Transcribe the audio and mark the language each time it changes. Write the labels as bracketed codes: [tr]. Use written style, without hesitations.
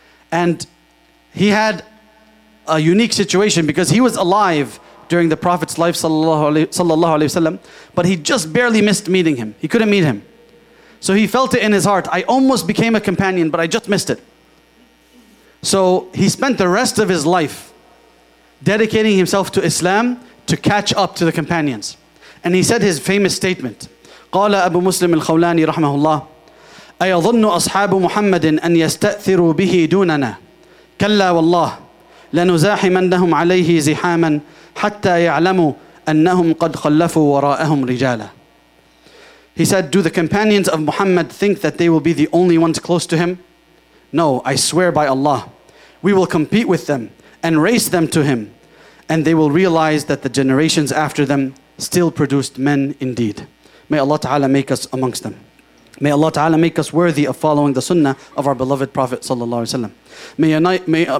[en] And he had a unique situation because he was alive during the Prophet's life, sallallahu alayhi wasallam, but he just barely missed meeting him. He couldn't meet him. So he felt it in his heart. I almost became a companion, but I just missed it. So he spent the rest of his life dedicating himself to Islam to catch up to the companions. And he said his famous statement, [ar] قال أبو مسلم الخولاني رحمه الله أيظن أصحاب محمد أن يستأثروا به دوننا كلا والله لنزاحمنهم عليه زحاما حتى يعلموا أنهم قد خلفوا وراءهم رجالا. [en] He said, do the companions of Muhammad think that they will be the only ones close to him? No, I swear by Allah, we will compete with them and race them to him, and they will realize that the generations after them still produced men indeed. May Allah Ta'ala make us amongst them. May Allah Ta'ala make us worthy of following the sunnah of our beloved Prophet Sallallahu Alaihi Wasallam.